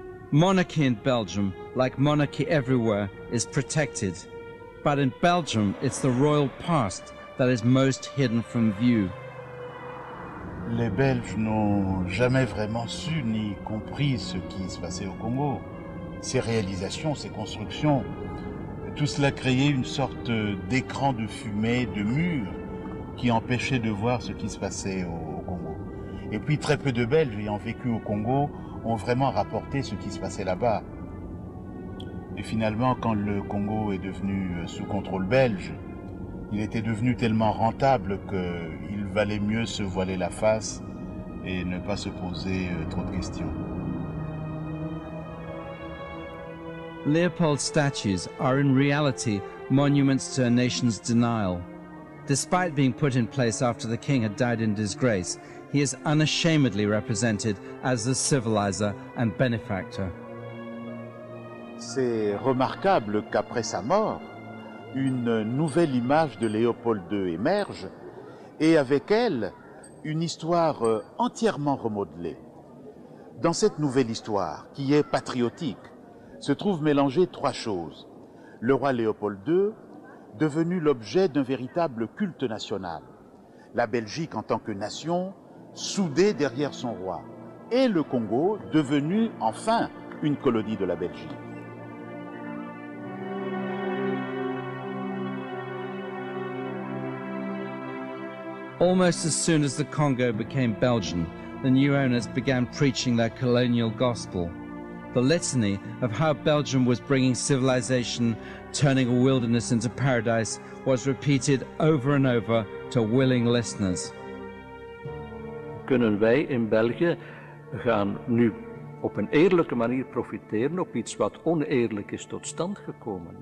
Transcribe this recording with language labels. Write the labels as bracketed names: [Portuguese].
[English] Monarchy in Belgium, like monarchy everywhere, is protected. But in Belgium, it's the royal past that is most hidden from view. [French] Les Belges n'ont jamais vraiment su ni compris ce qui se passait au Congo. Ses réalisations, ses constructions, tout cela créait une sorte d'écran de fumée, de mur, qui empêchait de voir ce qui se passait au Congo. Et puis très peu de Belges ayant vécu au Congo ont vraiment rapporté ce qui se passait là-bas. Et finalement, quand le Congo est devenu sous contrôle belge, il était devenu tellement rentable qu'il valait mieux se voiler la face et ne pas se poser trop de questions. [English] Leopold's statues are in reality monuments to a nation's denial. Despite being put in place after the king had died in disgrace, he is unashamedly represented as the civilizer and benefactor. [French] C'est remarquable qu'après sa mort, une nouvelle image de Léopold II émerge, et avec elle, une histoire entièrement remodelée. Dans cette nouvelle histoire, qui est patriotique, se trouvent mélangées trois choses. Le roi Léopold II, devenu l'objet d'un véritable culte national. La Belgique en tant que nation, soudée derrière son roi. Et le Congo, devenu enfin une colonie de la Belgique. [English] Almost as soon as the Congo became Belgian, the new owners began preaching their colonial gospel, the litany of how Belgium was bringing civilization, turning a wilderness into paradise, was repeated over and over to willing listeners. [Dutch] Kunnen wij in België gaan nu op een eerlijke manier profiteren op iets wat oneerlijk is tot stand gekomen.